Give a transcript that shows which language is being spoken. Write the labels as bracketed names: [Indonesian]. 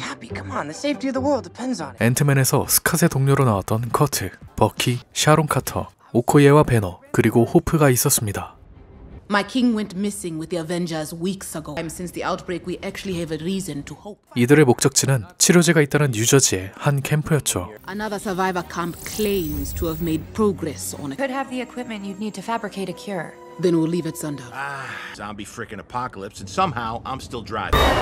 [English] Hey, Happy, come on. The safety of the world depends on it. [Korean] 앤트맨에서 스캇의 동료로 나왔던 커트, 버키, 샤론 카터, 오코예와 배너, 그리고 호프가 있었습니다. [English] My king went missing with the Avengers weeks ago. And since the outbreak, we actually have a reason to hope. [Korean] 이들의 목적지는 치료제가 있다는 뉴저지의 한 캠프였죠. [English] Another survivor camp claims to have made progress on it. Could have the equipment you'd need to fabricate a cure. Then we'll leave it Sunder. Ah, zombie freaking apocalypse, and somehow I'm still driving.